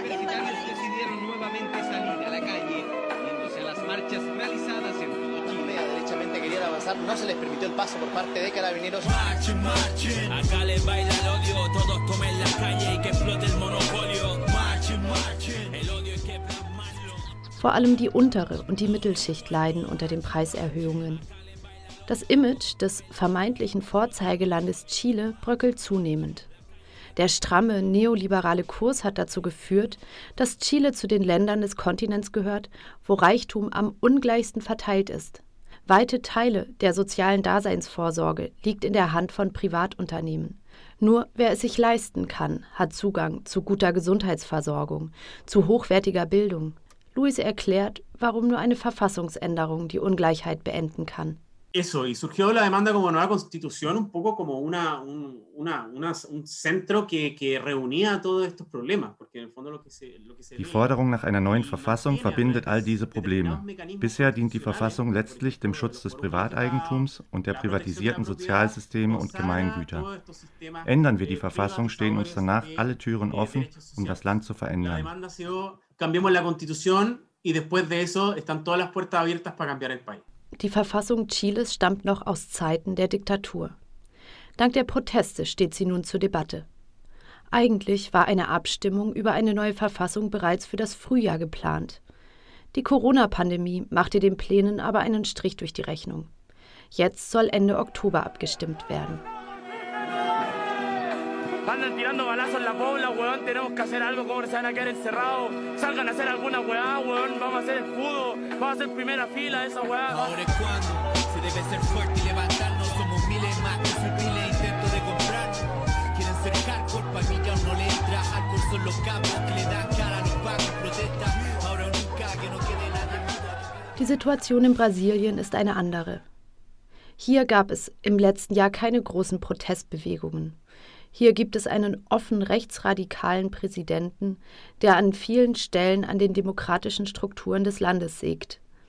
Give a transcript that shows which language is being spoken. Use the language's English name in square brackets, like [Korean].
[Spanish] Los universitarios decidieron nuevamente salir a la calle, uniéndose a las marchas realizadas en querían avanzar, no se les permitió el paso por parte de carabineros. Marchen, marchen, acá les baila el odio, todos tomen la calle y que explote el monopolio. Marchen, marchen, el odio es que plasmarlo. [German] Vor allem die untere und die Mittelschicht leiden unter den Preiserhöhungen. Das Image des vermeintlichen Vorzeigelandes Chile bröckelt zunehmend. Der stramme neoliberale Kurs hat dazu geführt, dass Chile zu den Ländern des Kontinents gehört, wo Reichtum am ungleichsten verteilt ist. Weite Teile der sozialen Daseinsvorsorge liegt in der Hand von Privatunternehmen. Nur wer es sich leisten kann, hat Zugang zu guter Gesundheitsversorgung, zu hochwertiger Bildung. Luis erklärt, warum nur eine Verfassungsänderung die Ungleichheit beenden kann. [Spanish] Eso, y surgió la demanda como nueva constitución, un poco como un centro que reunía todos estos problemas, porque en el fondo lo que se [German] Die Forderung nach einer neuen Verfassung verbindet all diese Probleme. Bisher dient die Verfassung letztlich dem Schutz des Privateigentums und der privatisierten Sozialsysteme und Gemeingüter. Ändern wir die Verfassung, stehen uns danach alle Türen offen, um das Land zu verändern. [Spanish] Cambiemos la constitución y después de eso están todas las puertas abiertas para cambiar el país. [German] Die Verfassung Chiles stammt noch aus Zeiten der Diktatur. Dank der Proteste steht sie nun zur Debatte. Eigentlich war eine Abstimmung über eine neue Verfassung bereits für das Frühjahr geplant. Die Corona-Pandemie machte den Plänen aber einen Strich durch die Rechnung. Jetzt soll Ende Oktober abgestimmt werden. [Spanish] Andan tirando balazos en la pobla, weón, tenemos que hacer algo, cobre, se van a quedar encerrados. Salgan a hacer alguna weá, weón, vamos a hacer escudo, vamos a hacer primera fila de esa weá. Ahora es cuando se debe ser fuerte y levantarnos. Somos miles más que sus miles intentos de comprarnos. Quieren ser hardcore, pa' mí ya no le entra. Hardcore son los cabros que le dan cara a los pagos, protesta. Ahora nunca que no quede nadie. [German] Die Situation in Brasilien ist eine andere. Hier gab es im letzten Jahr keine großen Protestbewegungen. Hier gibt es einen offen rechtsradikalen Präsidenten, der an vielen Stellen an den demokratischen Strukturen des Landes sägt.